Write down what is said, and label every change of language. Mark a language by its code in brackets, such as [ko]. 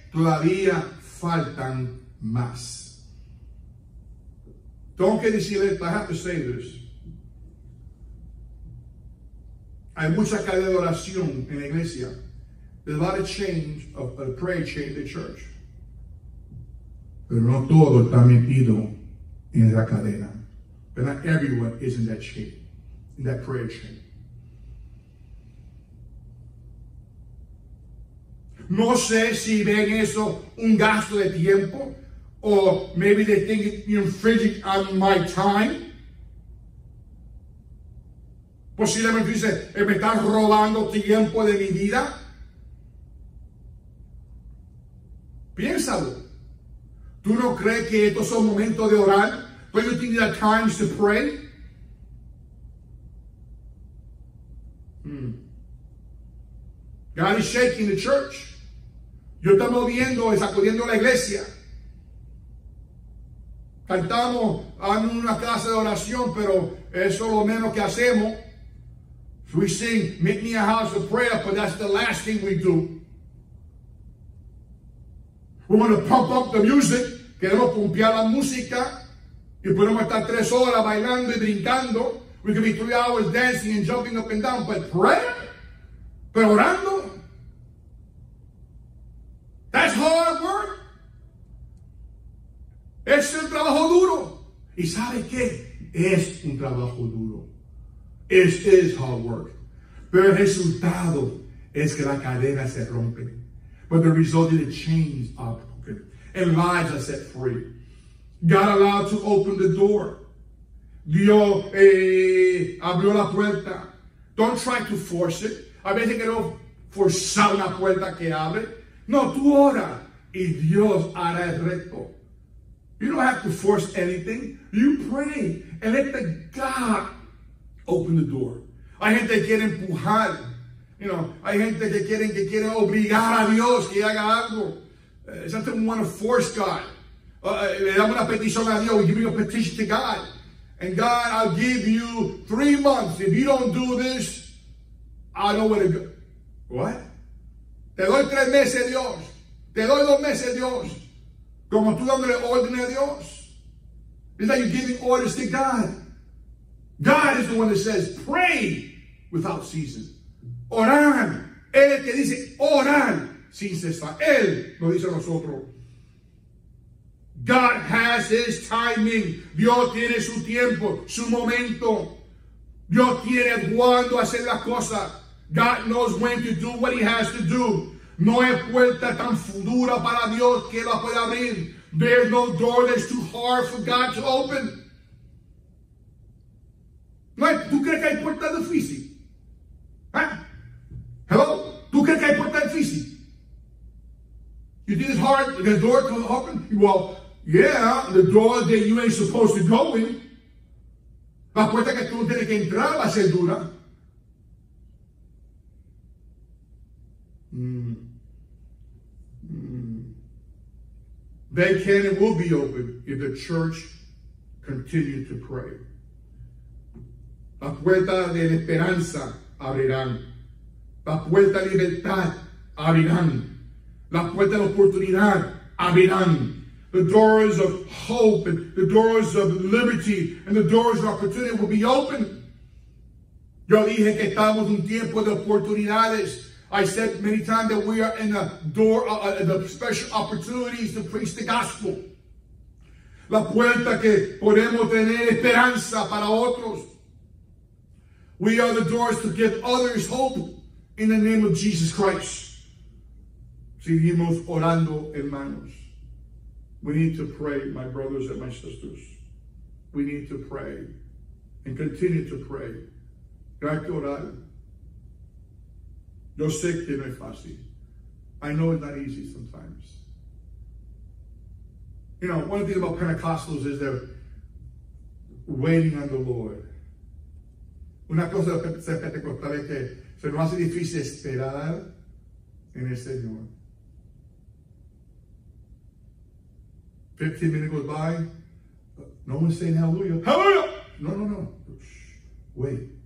[es] Todavía faltan más. Tengo que decir esto. [en] I have to say this. [es] Hay mucha cadena de oración en la iglesia. [en] There's a lot of change of a prayer chain in the church. [es] Pero no todo está metido en la cadena. [en] But not everyone is in that chain, in that prayer chain. [es] No sé si ven eso un gasto de tiempo, [en] or maybe they think you're infringing on my time. [es] Posiblemente dice, me están robando tiempo de mi vida. Piénsalo. ¿Tú no crees que estos son momentos de orar? [en] Don't you think there are times to pray? God is shaking the church. [es] Yo estoy moviendo y sacudiendo la iglesia. Cantamos en una clase de oración, pero eso es lo menos que hacemos. [en] We sing, make me a house of prayer, but that's the last thing we do. We want to pump up the music. [es] Queremos pumpear la música. Y podemos estar tres horas bailando y brincando. [en] We can be 3 hours dancing and jumping up and down. But prayer? [es] Pero orando? [en] That's hard work. [es] Es un trabajo duro. ¿Y sabe qué? Es un trabajo duro. [en] It is hard work. [es] Pero el resultado es que la cadena se rompe. [en] But the result is the chains are. And lives are set free. God allowed to open the door. [es] Dios abrió la puerta. [en] Don't try to force it. [es] A veces quiero forzar la puerta que abre. No, tú ora y Dios hará el resto. [en] You don't have to force anything. You pray and let the God open the door. [es] Hay gente que quiere empujar. [en] You know, [es] hay gente que quiere obligar a Dios que haga algo. [en] Sometimes we want to force God. [es] Le damos una petición a Dios. [en] We give you a petition to God. And God, I'll give you 3 months. If you don't do this, I know where to go. What? [es] Te doy 3 meses, Dios. Te doy 2 meses, Dios. Como tú dándole orden a Dios. [en] It's like you're giving orders to God. God is the one that says, pray without ceasing. [es] Orar. Él es el que dice, orar sin cesar. Él lo dice a nosotros. [en] God has his timing. [es] Dios tiene su tiempo, su momento. Dios tiene cuándo hacer las cosas. [en] God knows when to do what he has to do. [es] No hay puerta tan dura para Dios que la pueda abrir. [en] There's no door that's too hard for God to open. [es] No hay, ¿tú crees que hay puerta difícil? ¿Eh? [en] Hello? [es] ¿Tú crees que hay puerta difícil? [en] You think it's hard? The door to open? Well, yeah, the door that you ain't supposed to go in. [es] La puerta que tú tienes que entrar va a ser dura. [en] They can and will be open if the church continues to pray. [es] La puerta de la esperanza abrirán. La puerta de libertad abrirán. La puerta de oportunidad abrirán. [en] The doors of hope and the doors of liberty and the doors of opportunity will be open. [es] Yo dije que estamos en un tiempo de oportunidades. [en] I said many times that we are in the door of the special opportunities to preach the gospel. [es] La puerta que podemos tener esperanza para otros. [en] We are the doors to give others hope in the name of Jesus Christ. [es] Seguimos orando, hermanos. [en] We need to pray, my brothers and my sisters. We need to pray and continue to pray. [es] Hay que orar. Yo sé que no es fácil. [en] I know it's not easy sometimes. You know, one of the things about Pentecostals is they're waiting on the Lord. [es] Una cosa de ser pentecostal es que se nos hace difícil esperar en el Señor. [en] 15 minutes goes by. No one's saying hallelujah. Hallelujah! No. Shh. Wait.